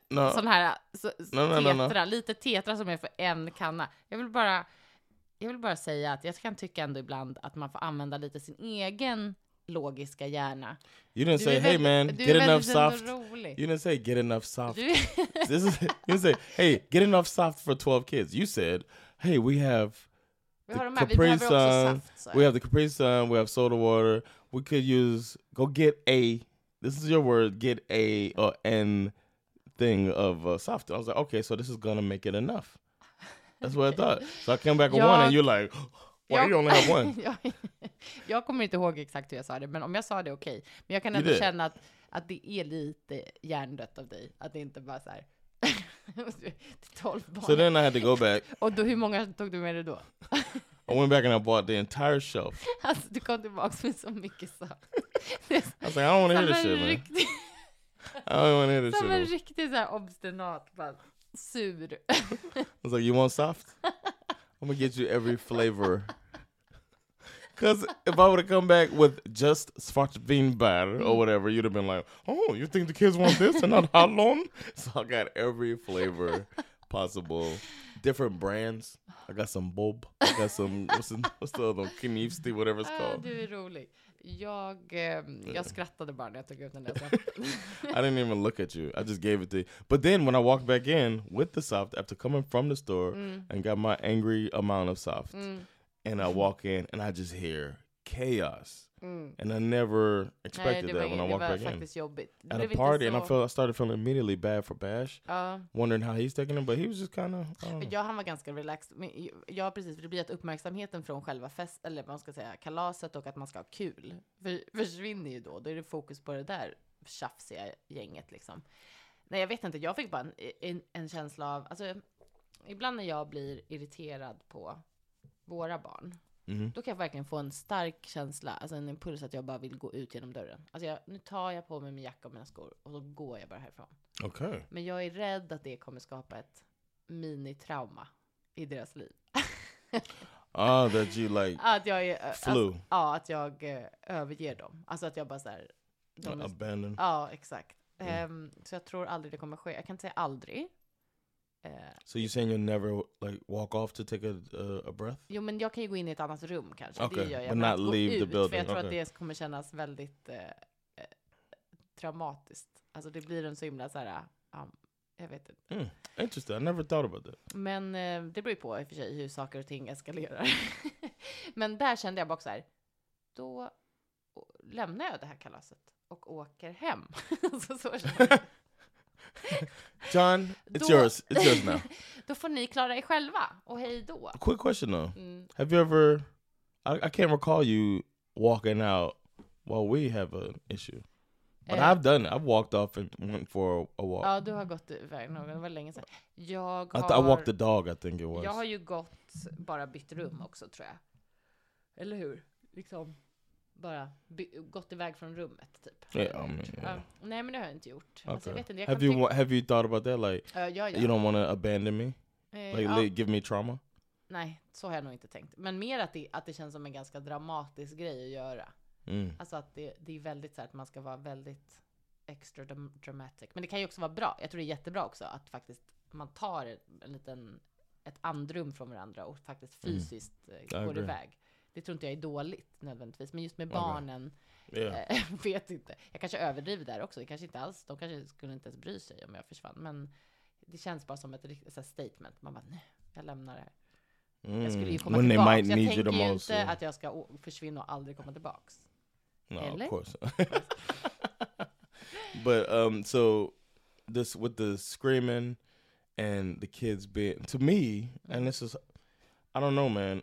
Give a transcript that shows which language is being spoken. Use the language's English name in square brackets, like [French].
[Swedish] Sån här tetra, lite tetra som är för en kanna. Jag vill bara säga att jag kan tycka ändå ibland att man får använda lite sin egen logiska hjärna. [English] You didn't say, hey man, get enough soft. [Swedish] Rolig. [English] You didn't say, get enough soft. You didn't say, hey, get enough soft for 12 kids. You said, hey, we have Capri Sun. We have the Capri Sun. We have soda water. We could use, go get a, this is your word, get a or n thing of soft. I was like, okay, so this is going to make it enough. That's what I thought. So I came back with one and you're like, why you only have one? [Swedish] Jag kommer inte ihåg exakt hur jag sa det, men om jag sa det, okej. [English] Okay. [Swedish] Men jag kan ändå känna att det är lite hjärndött av dig. Att det inte bara så här, till 12 barn. [English] So then I had to go back. [Swedish] Och då, hur många tog du med dig då? [English] I went back and I bought the entire shelf. [Swedish] Alltså, du kom tillbaka med så mycket så. [English] I was like, I don't want to hear this shit, [Swedish] riktig... [English] man. I don't want to hear this shit. [Swedish] Som en riktig så här obstinat, bara sur. [English] I was like, you want soft? I'm gonna get you every flavor. Because if I would have come back with just Svartvinbär or whatever, you'd have been like, oh, you think the kids want this and not Hallon? So I got every flavor possible. Different brands. I got some Bob. I got some, what's the other one? Knivsti, whatever it's called. [Swedish] Du är rolig. Jag skrattade bara när jag tog ut den där. [English] I didn't even look at you. I just gave it to you. But then when I walked back in with the soft after coming from the store and got my angry amount of soft, and I walk in and I just hear chaos. And I never expected when I walked back in. At a party, and I started feeling immediately bad for Bash. Wondering how he's taking it, but he was just kind of... [Swedish] Ja, han var ganska relaxed. Men jag, precis, för det blir att uppmärksamheten från själva fest, eller vad man ska säga, kalaset och att man ska ha kul, försvinner ju då. Då är det fokus på det där tjafsiga gänget, liksom. Nej, jag vet inte. Jag fick bara en känsla av... Alltså, ibland när jag blir irriterad på våra barn, Mm-hmm. Då kan jag verkligen få en stark känsla, alltså en impuls att jag bara vill gå ut genom dörren. Alltså jag, nu tar jag på mig min jacka och mina skor och då går jag bara härifrån. [English] Okay. [Swedish] Men jag är rädd att det kommer skapa ett mini-trauma i deras liv. [English] Ah, that you like [Swedish] att jag är, flu. Alltså, ja, att jag överger dem. Alltså att jag bara såhär... [English] Abandon. [Swedish] Ja, exakt. Mm. Så jag tror aldrig det kommer ske. Jag kan inte säga aldrig. [English] So you're saying you'll never like walk off to take a breath? [Swedish] Jo, men jag kan ju gå in i ett annat rum kanske. [English] Okay. [Swedish] Det gör jag. [English] But not leave [Swedish] ut, [English] the building. [Swedish] För jag tror [English] okay. [Swedish] att det kommer kännas väldigt traumatiskt. Alltså det blir en så himla såhär... jag vet inte. [English] Mm. Interesting. I never thought about that. [Swedish] Men det beror ju på i och för sig hur saker och ting eskalerar. Men där kände jag bara så här. Då lämnar jag det här kalaset och åker hem. Så så kände jag. [English] John, it's yours. It's yours now. [Swedish] Då får ni klara er själva. Och hej då. [English] Quick question though. Mm. Have you ever... I can't recall you walking out while we have an issue. But I've done it. I've walked off and went for a walk. [Swedish] Ja, du har gått iväg någon gång länge sedan. Jag har, [English] I walked the dog, I think it was. [Swedish] Jag har ju gått, bara bytt rum också, tror jag. Eller hur? Liksom, bara gått iväg från rummet, typ. [English] Yeah, I mean, yeah. [Swedish] Nej, men det har jag inte gjort. Okay. Alltså, jag vet inte, jag [English] have, have you thought about that? Like, [Swedish] ja. [English] You don't want to abandon me? Like, give me trauma? [Swedish] Nej, så har jag nog inte tänkt. Men mer att det känns som en ganska dramatisk grej att göra. Mm. Alltså att det är väldigt så här, att man ska vara väldigt extra dramatic. Men det kan ju också vara bra. Jag tror det är jättebra också att faktiskt man tar ett andrum från varandra och faktiskt fysiskt går iväg. Det tror inte jag är dåligt nödvändigtvis. Men just med barnen vet inte. Jag kanske överdriver där också. Det kanske inte alls. De kanske skulle inte ens bry sig om jag försvann. Men det känns bara som ett riktigt så här statement. Man bara, nej, jag lämnar det här. Mm. Jag skulle ju komma tillbaka. Jag tänker ju inte att jag ska försvinna och aldrig komma tillbaka. [English] No, really? Of course. But so this with the screaming and the kids being to me, and this is, I don't know, man.